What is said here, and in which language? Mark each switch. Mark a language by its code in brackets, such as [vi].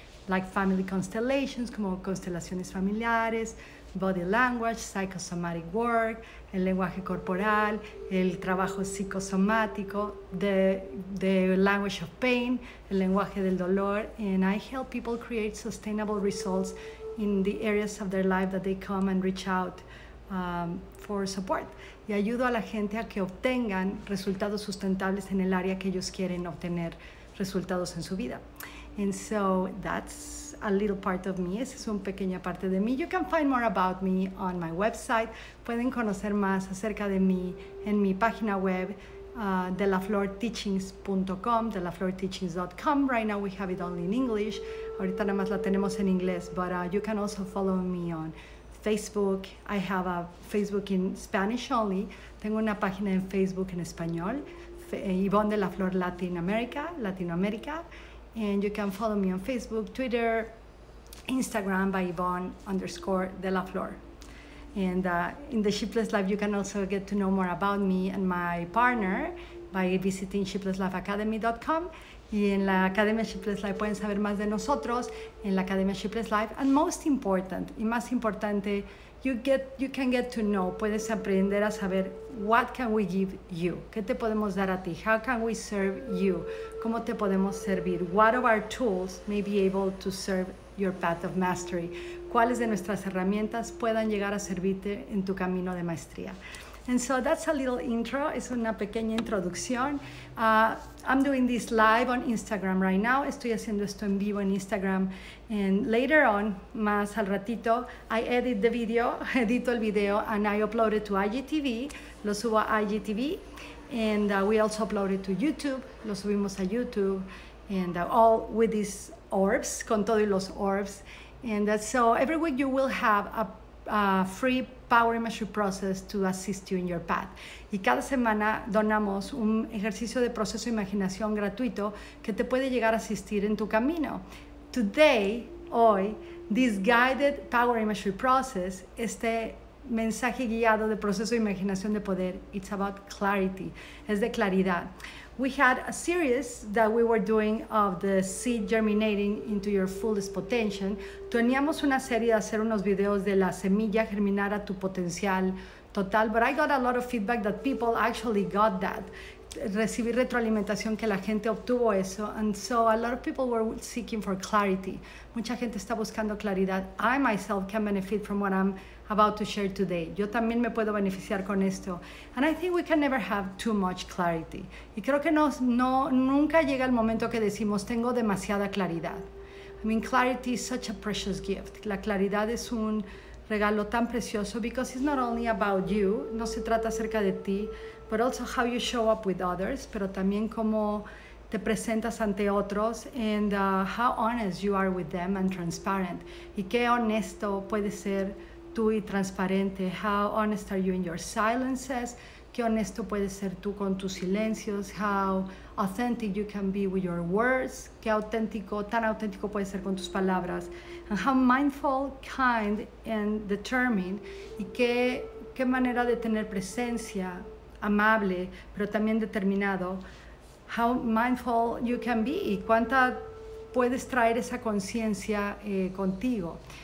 [en] like family constellations, [es] como constelaciones familiares, [en] body language, psychosomatic work, [es] el lenguaje corporal, el trabajo psicosomático, [en] the language of pain, [es] el lenguaje del dolor, [en] and I help people create sustainable results in the areas of their life that they come and reach out for support. [es] Y ayudo a la gente a que obtengan resultados sustentables en el área que ellos quieren obtener resultados en su vida. [en] And so that's a little part of me. [es] Esa es una pequeña parte de mí. [en] You can find more about me on my website. [es] Pueden conocer más acerca de mí en mi página web, delaflorteachings.com, delaflorteachings.com. [en] Right now we have it only in English. [es] Ahorita nada más la tenemos en inglés, [en] but you can also follow me on Facebook. I have a Facebook in Spanish only. [es] Tengo una página en Facebook en español, Ivonne de la Flor Latin America, Latinoamérica. [en] And you can follow me on Facebook, Twitter, Instagram by Ivonne_Delaflor. And in the Sheepless Life, you can also get to know more about me and my partner by visiting sheeplesslifeacademy.com. [es] Y en la Academia Sheepless Life pueden saber más de nosotros en la Academia Sheepless Life. [en] And most important, [es] y más importante, [en] you can get to know, [es] puedes aprender a saber [en] what can we give you, [es] qué te podemos dar a ti, [en] how can we serve you, [es] cómo te podemos servir, [en] what of our tools may be able to serve your path of mastery, [es] cuáles de nuestras herramientas puedan llegar a servirte en tu camino de maestría. [en] And so that's a little intro, [es] es una pequeña introducción. [en] I'm doing this live on Instagram right now. [es] Estoy haciendo esto en vivo en Instagram. [en] And later on, [es] más al ratito, [en] I edit the video, [es] edito el video, [en] and I upload it to IGTV. [es] Lo subo a IGTV. [en] And we also upload it to YouTube. [es] Lo subimos a YouTube. [en] And all with these orbs, [es] con todos los orbs. [en] And so every week you will have a free power imagery process to assist you in your path. [es] Y cada semana donamos un ejercicio de proceso de imaginación gratuito que te puede llegar a asistir en tu camino. [en] Today, [es] hoy, [en] this guided power imagery process, [es] este mensaje guiado de proceso de imaginación de poder, [en] it's about clarity, [es] es de claridad. [en] We had a series that we were doing of the seed germinating into your fullest potential. [es] Teníamos una serie de hacer unos videos de la semilla germinar a tu potencial total, [en] but I got a lot of feedback that people actually got that. [es] Recibí retroalimentación que la gente obtuvo eso, [en] and so a lot of people were seeking for clarity. [es] Mucha gente está buscando claridad. [en] I myself can benefit from what I'm about to share today. [es] Yo también me puedo beneficiar con esto. [en] And I think we can never have too much clarity. [es] Y creo que nunca llega el momento que decimos tengo demasiada claridad. [en] I mean, clarity is such a precious gift. [es] La claridad es un regalo tan precioso [en] because it's not only about you, [es] no se trata acerca de ti, [en] but also how you show up with others, [es] pero también cómo te presentas ante otros, [en] and how honest you are with them and transparent. [es] Y qué honesto puede ser tú y transparente. [en] How honest are you in your silences? [es] Qué honesto puedes ser tú con tus silencios? [en] How authentic you can be with your words? [es] Qué auténtico, tan auténtico puedes ser con tus palabras? [en] And how mindful, kind, and determined? [es] Y qué manera de tener presencia, amable, pero también determinado. [en] How mindful you can be? [es] Y cuánta puedes traer esa conciencia contigo?